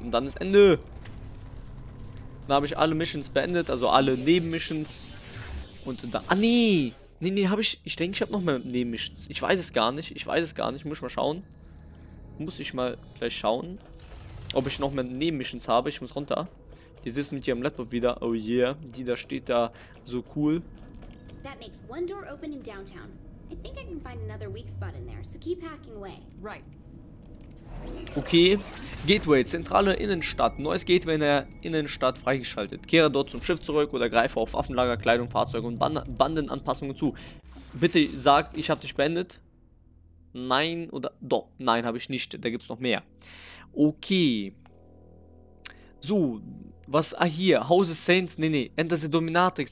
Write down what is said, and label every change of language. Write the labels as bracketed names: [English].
[German] Und dann ist Ende. Dann habe ich alle Missions beendet, also alle Nebenmissions. Und da. Ah, nee! Nee, habe ich. Ich denke, ich habe noch mehr Nebenmissions. Ich weiß es gar nicht. Muss ich mal schauen. Muss ich mal gleich schauen, ob ich noch mehr Nebenmissions habe. Ich muss runter. Die sitzt mit ihrem Laptop wieder. Oh yeah. Die da steht da so cool. [English] That makes one door open in downtown. I think I can find another weak spot in there, so keep hacking away. [German] Right. Okay. Gateway, zentrale Innenstadt. Neues Gateway in der Innenstadt freigeschaltet. Kehre dort zum Schiff zurück oder greife auf Waffenlager, Kleidung, Fahrzeuge und Bandenanpassungen zu. Bitte sagt, ich habe dich beendet. Nein oder doch. Nein, habe ich nicht. Da gibt's noch mehr. Okay. So. Was? Ah, hier. House of Saints. Nee. Enter the Dominatrix.